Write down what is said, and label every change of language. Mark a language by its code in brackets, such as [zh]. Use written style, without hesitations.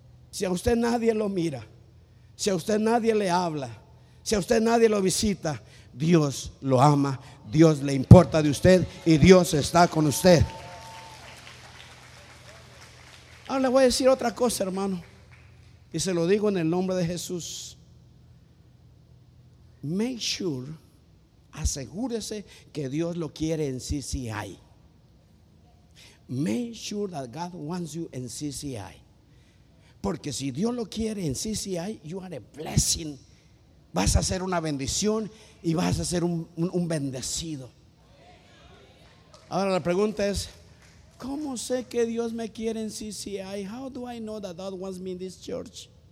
[es] Si a usted nadie lo mira, si a usted nadie le habla, si a usted nadie lo visita, Dios lo ama, Dios le importa de usted y Dios está con usted. Ahora le voy a decir otra cosa, hermano, y se lo digo en el nombre de Jesús. [en] Make sure, [es] asegúrese que Dios lo quiere en CCI. [en] Make sure that God wants you in CCI. [es] Porque si Dios lo quiere en CCI, [en] you are a blessing. [es] Vas a ser una bendición y vas a ser un bendecido. Ahora la pregunta es, ¿cómo sé que Dios me quiere en CCI? [en] How do I know that God wants me in this church?